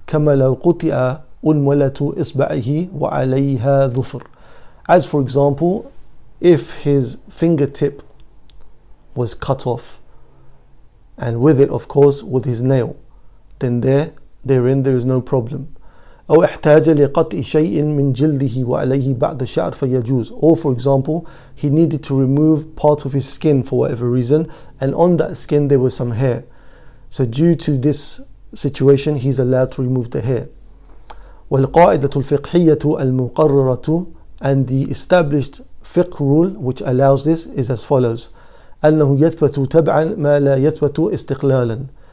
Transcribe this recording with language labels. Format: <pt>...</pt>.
<ar>كَمَا لَوْ قُطِعَ أُنْوَلَةُ إِصْبَعِهِ وَعَلَيْهَا ظُفْرٌ,</ar> <en>as for example, if his fingertip was cut off and with it, of course, with his nail, then therein there is no problem.</en> <ar>أو احتاج لقطع شيء من جلده وعليه بعض الشعر فيجوز.</ar> <en>Or for example, he needed to remove part of his skin for whatever reason, and on that skin there was some hair. So due to this situation, he's allowed to remove the hair.</en> <ar>والقاعدة الفقهية المقررة,</ar> <en>and the established fiqh rule which allows this is as follows:</en> <ar>أنه يثبت تبعا ما لا يثبت استقلالا.</ar>